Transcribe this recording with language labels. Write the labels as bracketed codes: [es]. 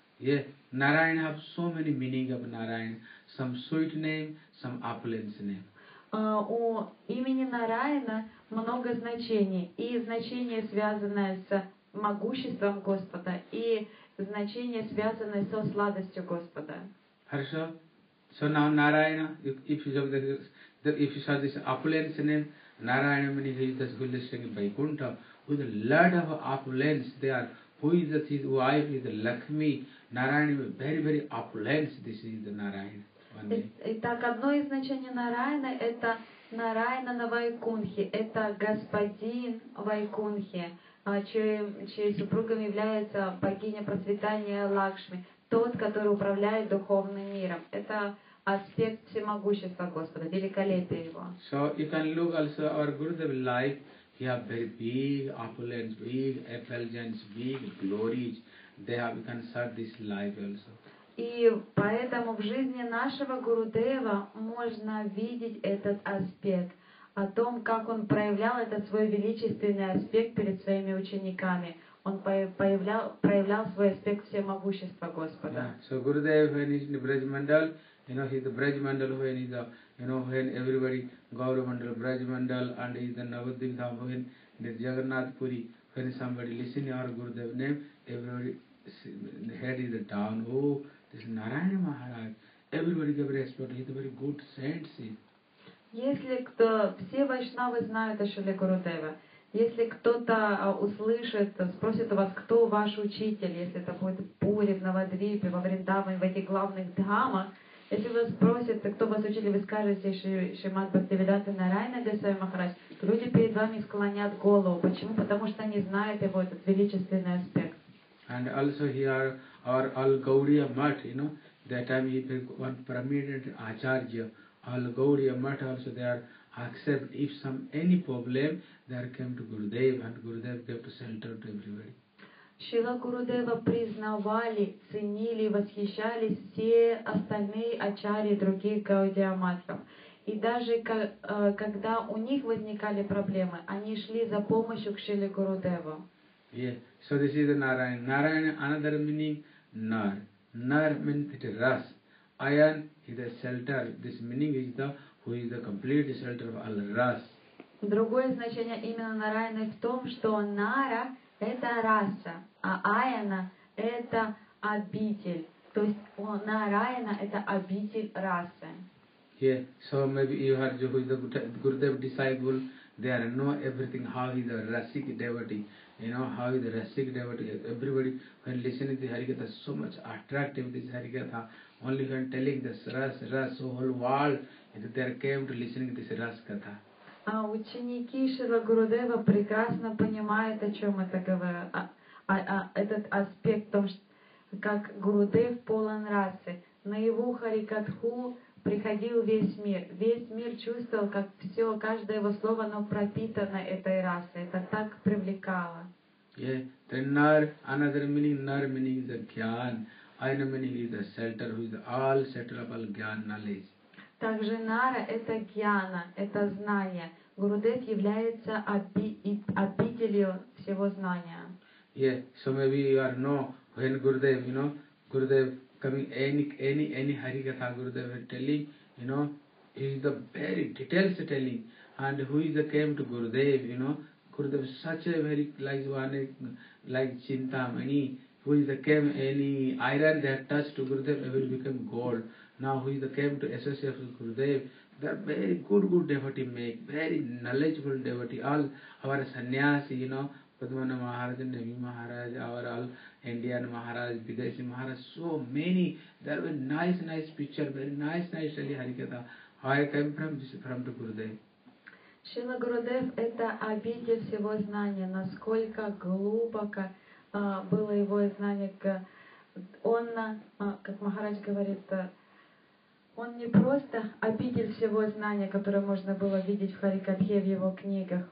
[en] Yeah, Narayana have so many meaning of Narayana. Some sweet name, some opulent name. [ru] У имени Нараяна много значений. И значение, связанное с могуществом Господа, и значение, связанное со сладостью Господа. Хорошо. [en] So now Narayana, if you saw this opulent name, Narayana means he is the goodness of Vaikuntha, who is the lord of opulence there, who is the, his wife, is the Lakshmi. Narayana is very, very opulence, this is the Narayana. [ru] Итак, одно из значений Нараяна – это Нараяна на Вайкунхе, это господин Вайкунхе, чьей супругом является богиня процветания Лакшми, тот, который управляет духовным миром. Это аспект всемогущества Господа, великолепия Его. [en] So you can look also our Gurudev's life. He have very big opulence, big effulgence, big glories. They have can serve this life also. [ru] И поэтому в жизни нашего Гурудева можно видеть этот аспект, о том, как он проявлял этот свой величественный аспект перед своими учениками. Он проявлял свой аспект всемогущества Господа. [en] Yeah. So Gurudev, when he's in the Braj Mandal, you know, he's the Braj Mandal, when he's the, you know, when everybody, Gauramandal, Braj Mandal, and he's the Navadvip Dham, when there's Jagannath Puri, when somebody listen to our Gurudev name, everybody, the head is down, oh, this is Narayana Maharaj. Everybody gave respect, he's a very good saint, see. [ru] Если кто, все вайшнавы знают о Шиле Гурудеве. Если кто-то услышит, спросит у вас, кто ваш учитель, если это будет в Пури, в Навадвипе, во Вриндаване, в этих главных дхамах, если вас спросят, кто вас учитель, вы скажете, Шримад Бхактивиданта Нарайана Госвами Махарадж, люди перед вами склонят голову. Почему? Потому что они знают его, этот величественный аспект. [en] And also here our Al-Gauriya Math, you know, that time he was one prominent Acharya. Al-Gauriya Math also they are accept if some any problem they are came to Gurudev and Gurudev gave to shelter to everybody. [ru] Шрила Гурудева признавали, ценили, восхищались все остальные ачарьи других Гаудия Матхов. И даже когда у них возникали проблемы, они шли за помощью к Шриле Гурудеву. [en] Yeah. So this is the Narayana. Narayana, another meaning Nar. Nar means it is Ras. Ayan is the shelter. This meaning is the who is the complete shelter of all Ras. [ru] Другое значение именно Нарайаны в том, что Нара – это раса, а Аяна – это обитель. То есть Нарайана – это обитель расы. [en] Yeah, so maybe you heard who is the Gurudev disciple. They are know everything, how he is a rasic devotee. You know, how he is a rasic devotee. Everybody when listening to Harikatha, so much attractive this Harikatha. Only when telling this ras, whole world, they came to listening to this Raskatha. [ru] А ученики Шрила Гурудева прекрасно понимают, о чем это говорит. Этот аспект, то, что, как Гурудев полон расы. На его харикатху приходил весь мир. Весь мир чувствовал, как все, каждое его слово, оно пропитано этой расой. Это так привлекало. [en] Yeah. Then nar, another meaning, nar meaning is a gyan. Aina meaning is a shelter, who is all settled up all gyan knowledge. [ru] Также Нара – это гьяна, это знание. Гурудев является обителью всего знания. [en] Yeah, so maybe you are know when Gurudev, you know, Gurudev coming any Harikatha Gurudev is telling, you know, he is the very details telling. And who is the came to Gurudev, you know, Gurudev is such a very like Chintamani. Who is the came any iron that touched to Gurudev, it will become gold. Now who is the came to associate with Gurudev, they are very good devotee make, very knowledgeable devotee. All our sannyasi, you know, Padmana Maharaj, Navi Maharaj, our all Indian Maharaj, Vidashi Maharaj, so many. There were nice picture, very nice Shali Harikatha. How I came from to Gurudev. [ru] Шрила Гурудев – это обитель всего знания, насколько глубоко было его знание. Он, как Махарадж говорит, он не просто обитель всего знания, которое можно было видеть в Харикатхе, в его книгах.